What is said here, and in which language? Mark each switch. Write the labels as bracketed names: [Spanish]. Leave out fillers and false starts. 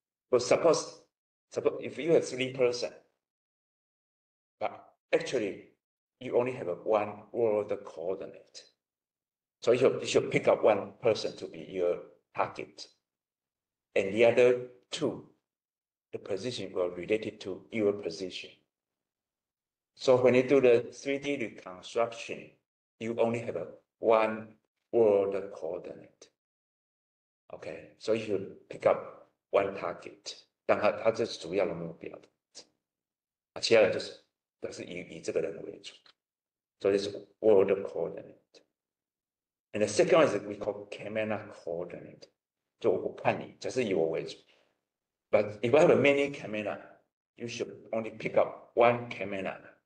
[English] But suppose if you have three person， but actually you only have one world coordinate， so you should pick up one person to be your target， and the other two. The position will related to your position. So when you do the 3D reconstruction, you only have one world coordinate. Okay, so you pick up one target. [Chinese] 但它这是主要的目标的，其他人都是以这个人为主。 [English] So this world coordinate. And the second one is we call camera coordinate. [Chinese] 就我看你，这是以我为主。 [English] But if I have many camera, you should only pick up one camera.